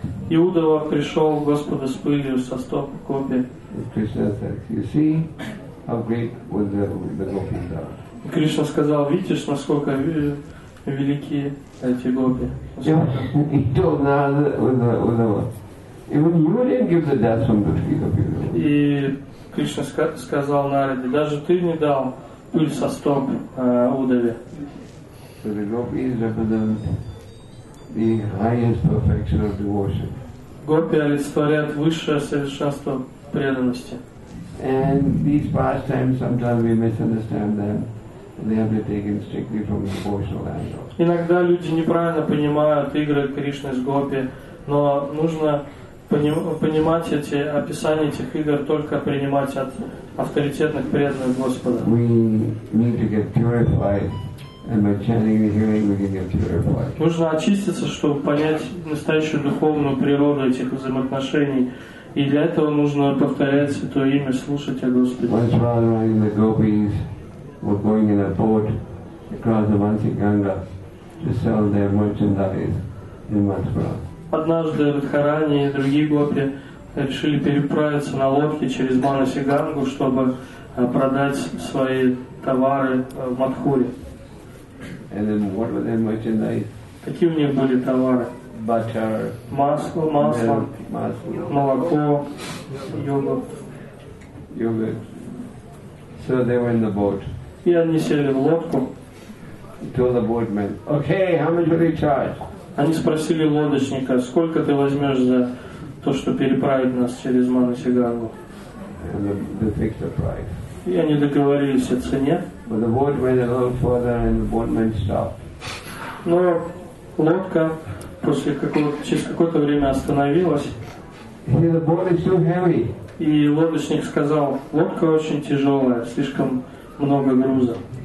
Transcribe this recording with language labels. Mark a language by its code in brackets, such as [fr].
[ru] И Удава пришел к Господу с пылью со стоп гопи. И Кришна сказал, видишь, насколько великие эти гопи. [en] Even you didn't give the dust from the feet of your. [ru] И Кришна сказал Нараде, даже ты не дал пыль со стоп Удаве. [en] So the gopis represent the highest perfection of devotion. [ru] Гопи олицетворяют высшее совершенство преданности. [en] And these past times sometimes we misunderstand them. They have been taken strictly from the devotional angle. [ru] Иногда люди неправильно понимают игры Кришны с гопи, но нужно понимать эти описания этих игр только принимать от авторитетных преданных Господа. [en] We need to get purified, and by chanting and hearing, we can get purified. [ru] Нужно очиститься, чтобы понять настоящую духовную природу этих взаимоотношений, и для этого нужно повторять Святое Имя, слушать о Господе. [en] Were going in a boat across the Vansi Ganga to sell their merchandise in Mathura. [ru] Однажды Радхарани и другие гопи решили переправиться на лодке через Ванаси Гангу, чтобы продать свои товары в Матхуре. [en] And then what were their merchandise? [ru] Какие у них были товары? [en] Butter. [ru] Масло. Молоко. Йогурт. [en] So they were in the boat. [ru] И они сели в лодку. [en] to the boatman, "Okay, how much will you charge?" [ru] Они спросили лодочника, сколько ты возьмешь за то, что переправить нас через Манасигангу. [en] And the fixed price. [ru] И они договорились о цене. [en] But the boat went a little further and the boatman stopped. [ru] Но лодка после какого-то, через какое-то время остановилась. [en] The boat is too heavy. [ru] И лодочник сказал, лодка очень тяжелая, слишком много груза.